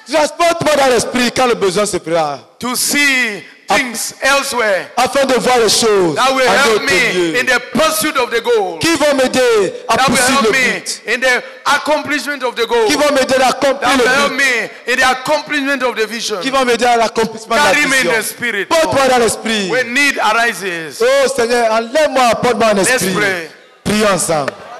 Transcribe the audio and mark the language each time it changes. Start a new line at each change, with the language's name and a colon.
French: Transporte-moi dans l'esprit quand le besoin se prend.
English: To see things elsewhere.
French: Afin de voir les choses.
English: That will help me in the pursuit of the goal.
French: Qui va m'aider à poursuivre le but?
English: In the accomplishment of the goal.
French: Qui va m'aider à accomplir le but?
English: That will help me in the accomplishment of the vision.
French: Qui va m'aider à l'accomplissement de la vision?
English: Carry me in the Spirit.
French: Porte-moi dans l'esprit.
English: When need arises.
French: Oh Seigneur, enlève-moi, porte-moi dans l'esprit. Prions ensemble.